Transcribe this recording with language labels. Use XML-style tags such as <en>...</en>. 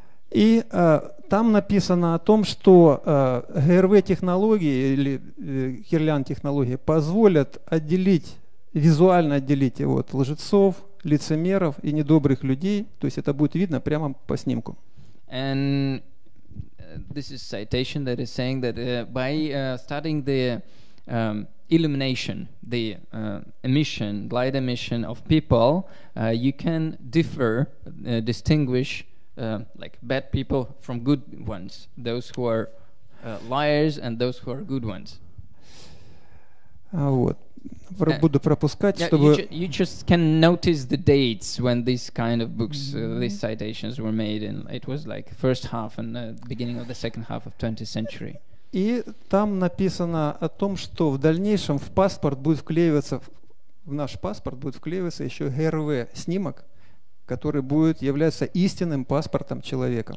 <ru>И там написано о том, что ГРВ-технологии или Кирлиан-технологии позволят отделить, визуально отделить его от лжецов, лицемеров и недобрых людей, то есть это будет видно прямо по снимку.</ru> <en>And this is citation that is saying that by studying the illumination, the emission, light emission of people, you can differ, distinguish like bad people from good ones, those who are liars and those who are good ones.</en> <ru>Вот. Буду пропускать, чтобы...</ru> <en>You just can notice the dates when these kind of books, these citations were made, and it was like first half and beginning of the second half of 20th century.</en> <ru>И там написано о том, что в дальнейшем в паспорт будет вклеиваться, в наш паспорт будет вклеиваться еще ГРВ-снимок, который будет являться истинным паспортом человека.</ru>